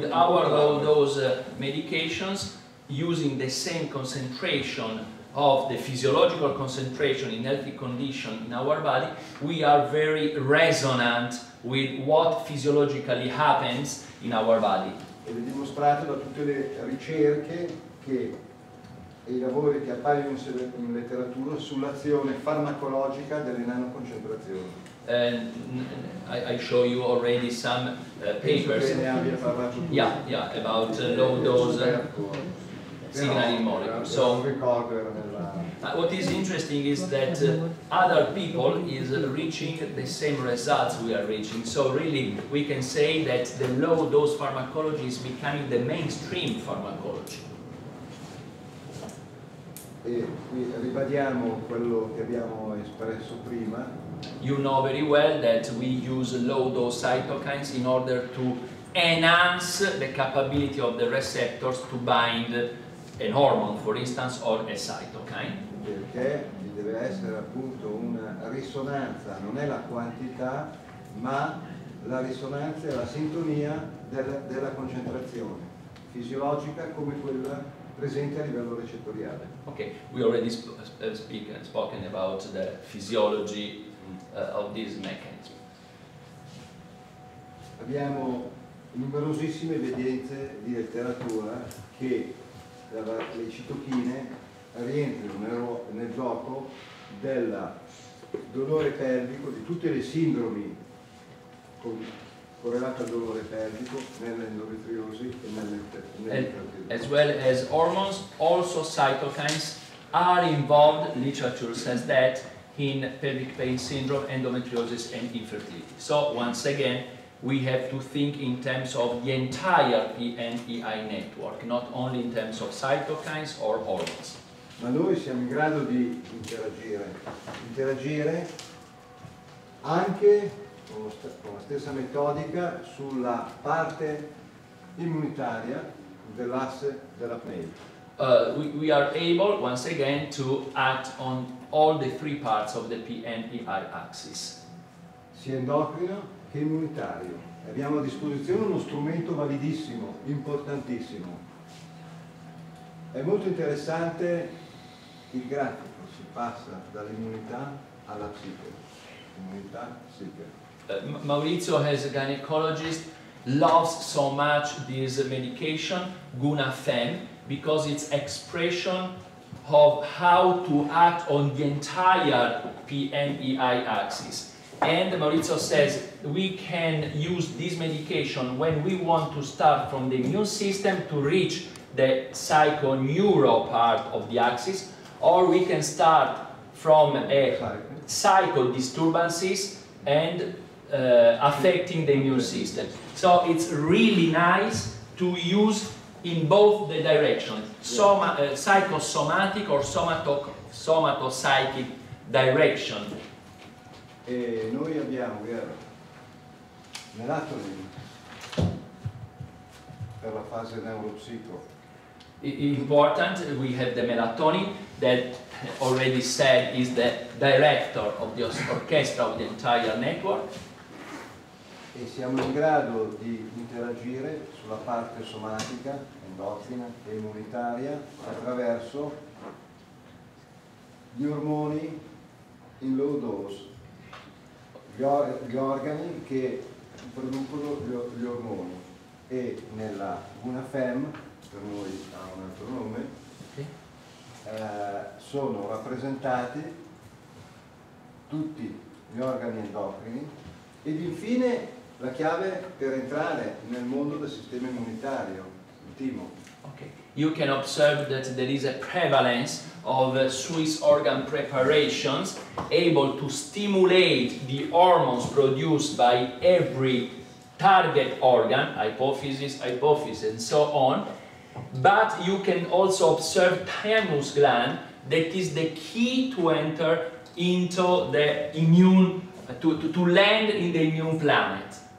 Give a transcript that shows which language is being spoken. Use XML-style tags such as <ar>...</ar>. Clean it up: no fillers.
<en>With our low dose medications, using the same concentration of the physiological concentration in healthy condition in our body, we are very resonant with what physiologically happens in our body.</en> <it>Ed è dimostrato da tutte le ricerche che e i lavori che appaiono in letteratura sull'azione farmacologica delle nanoconcentrazioni.</it> <en>I show you already some papers. Yeah, about low dose signaling molecule. So, what is interesting is that other people is reaching the same results we are reaching. So really, we can say that the low dose pharmacology is becoming the mainstream pharmacology.</en> <it>E qui ribadiamo quello che abbiamo espresso prima.</it> <en>You know very well that we use low dose cytokines in order to enhance the capability of the receptors to bind a hormone, for instance, or a cytokine.</en> <it>Perché ci deve essere appunto una risonanza, non è la quantità, ma la risonanza e la sintonia della concentrazione fisiologica come quella presente a livello recettoriale.</it> <en>Okay, we already spoken about the physiology of this mechanism.</en> <it>Abbiamo numerosissime evidenze di letteratura che le citochine rientrano nel gioco del dolore pelvico, di tutte le sindromi correlate al dolore pelvico nell'endometriosi e nell'endometriosi.</it> <en>As well as hormones, also cytokines are involved, literature says that, in pelvic pain syndrome, endometriosis and infertility. So once again, we have to think in terms of the entire PNEI network, not only in terms of cytokines or hormones.</en> <it>Ma noi siamo in grado di interagire anche con la stessa metodica sulla parte immunitaria dell'asse della pelle.</it> <en>We are able once again to act on all the three parts of the PNEI axis.</en> <it>Sia endocrino che immunitario. Abbiamo a disposizione uno strumento validissimo, importantissimo. È molto interessante il grafico, si passa dall'immunità alla psiche. Immunità, psiche.</it> <en>Maurizio, as a gynecologist, loves so much this medication, Guna Fem, because it's expression of how to act on the entire PNEI axis. And Maurizio says we can use this medication when we want to start from the immune system to reach the psychoneural part of the axis, or we can start from a psycho disturbances and affecting the immune system. So it's really nice to use in both the directions, psychosomatic or somatopsychic direction.</en> <it>E noi abbiamo, vero, melatonina per la fase neuropsico.</it> <en>Important, we have the melatonin that already said is the director of the orchestra of the entire network.</en> <it>E siamo in grado di interagire sulla parte somatica, endocrina e immunitaria attraverso gli ormoni in low dose, gli organi che producono gli ormoni, e nella Guna Fem, per noi ha un altro nome, sono rappresentati tutti gli organi endocrini ed infine la chiave per entrare nel mondo del sistema immunitario, il timo.</it> <en>Okay. You can observe that there is a prevalence of Swiss organ preparations able to stimulate the hormones produced by every target organ, hypophysis, hypophysis, and so on. But you can also observe thymus gland, that is the key to enter into the immune, to land in the immune planet.</en>